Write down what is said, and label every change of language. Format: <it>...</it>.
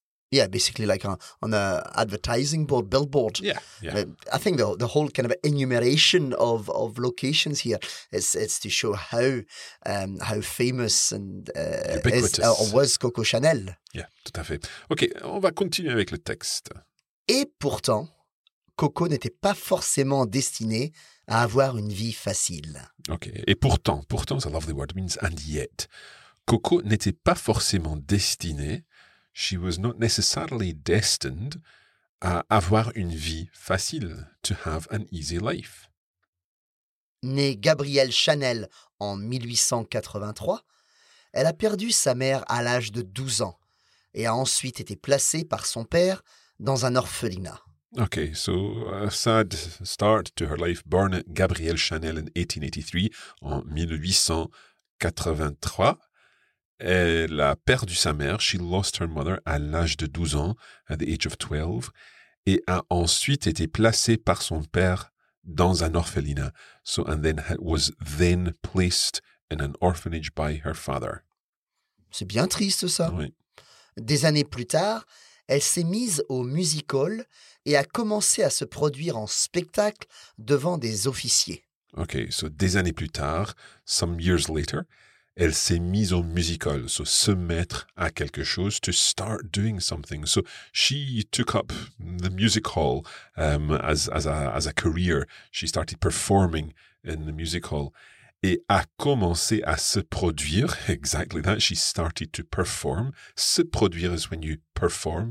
<en>Yeah, basically like on a advertising board, billboard. Yeah. I think the whole kind of enumeration of locations here is to show how famous and ubiquitous is, was Coco Chanel.</en> <fr>Yeah, tout à fait. Okay, on va continuer avec le texte. Et pourtant, Coco n'était pas forcément destinée à avoir une vie facile.</fr> <en>Ok,</en> <fr>et pourtant,</fr> <en>it's a lovely word, it means and yet.</en> <fr>Coco n'était pas forcément destinée,</fr> <en>she was not necessarily destined,</en> <fr>à avoir une vie facile,</fr> <en>to have an easy life.</en> <fr>Née Gabrielle Chanel en 1883, elle a perdu sa mère à l'âge de 12 ans et a ensuite été placée par son père dans un orphelinat.</fr> <en>Okay, so a sad start to her life. Born Gabrielle Chanel in 1883, en 1883.</en> <fr>Elle a perdu sa mère,</fr> <en>she lost her mother,</en> <fr>à l'âge de 12 ans,</fr> <en>at the age of 12,</en> <fr>et a ensuite été placée par son père dans un orphelinat.</fr> <en>So, and then was then placed in an orphanage by her father.</en> <fr>C'est bien triste, ça. Oui. Des années plus tard, elle s'est mise au music hall et a commencé à se produire en spectacle devant des officiers. Ok, so des années plus tard,</fr> <en>some years later,</en> <fr>elle s'est mise au music hall, so se mettre à quelque chose,</fr> <en>to start doing something. So she took up the music hall as a career. She started performing in the music hall</en> <fr>et a commencé à se produire,</fr> <en>exactly that, she started to perform. Se produire is when you perform.</en>